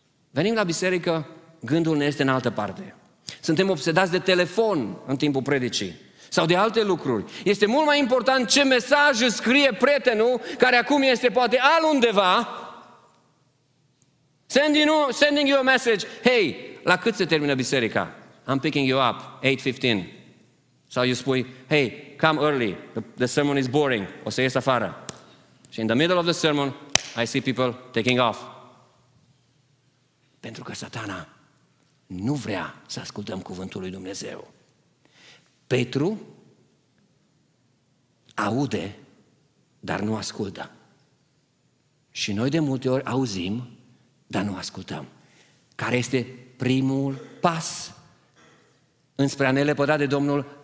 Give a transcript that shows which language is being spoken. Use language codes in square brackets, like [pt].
[ro] Venim la biserică, gândul ne este în altă parte. Suntem obsedați de telefon în timpul predicii sau de alte lucruri. Este mult mai important ce mesaj îți scrie prietenul, care acum este poate alundeva. [en] Sending you a message. Hey, [ro] la cât se termină biserica? [en] I'm picking you up, 8:15. [ro] Sau [en] you [ro] spui, [en] hey, come early, the sermon is boring. [ro] O să ies afară. Și [en] in the middle of the sermon, I see people taking off. [ro] Pentru că Satana nu vrea să ascultăm cuvântul lui Dumnezeu. Petru aude, dar nu ascultă. Și noi de multe ori auzim, dar nu ascultăm. Care este primul pas înspre a ne lepăda de Domnul?